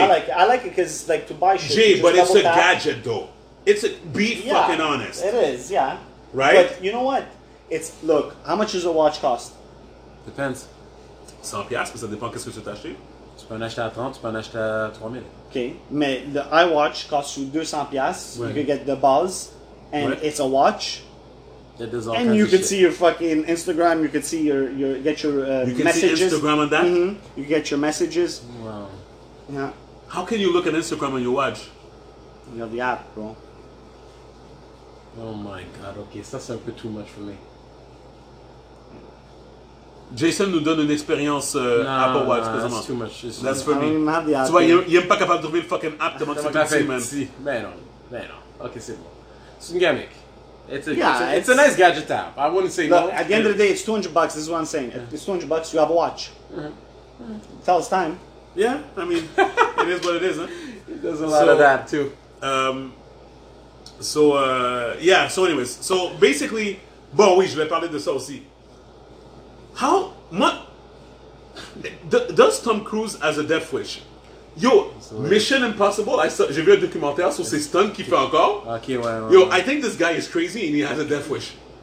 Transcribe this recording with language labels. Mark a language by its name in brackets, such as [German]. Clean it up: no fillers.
[English] I like it because it's like to buy shit. Jay, but it's a gadget though. It's a fucking honest. It is, yeah. Right? But you know what? It's, look, how much does a watch cost? Depends. [French] 100$, mais ça dépend qu'est-ce que tu veux t'acheter. Tu peux en acheter à 30, tu peux en acheter à 3000. [English] Okay, mais the iWatch costs you 200$. Ouais. You can get the buzz and it's a watch. And you could see your fucking Instagram. You could see your get your you can messages. See Instagram on that. Mm-hmm. You get your messages. Wow. Yeah. How can you look at Instagram on your watch? You have the app, bro. Oh my god. Okay, that's a bit too much for me. [French] Jason nous donne une expérience Apple Watch. [English] Nah, that's too much. That's for me. I don't have the app. [French] Tu vois, il est pas capable d'ouvrir le [English] fucking app [French] de mon téléphone. Mais non. Okay, c'est bon. C'est une gimmick. [English] It's a nice gadget app. I wouldn't say look, no. At the end of the day, it's $200. This is what I'm saying. Yeah. It's $200. You have a watch. Mm-hmm. Tell us time. Yeah, I mean, it is what it is. Huh? There's a lot of that too. So basically, [French] bon, oui, je vais parler de ça aussi. [English] How much does Tom Cruise as a Death Wish? [French] Yo, Mission Impossible, j'ai vu un documentaire sur ses stunts qu'il fait encore. Ok, ouais. Yo, ouais. [English] I think this guy is crazy and he has a death wish.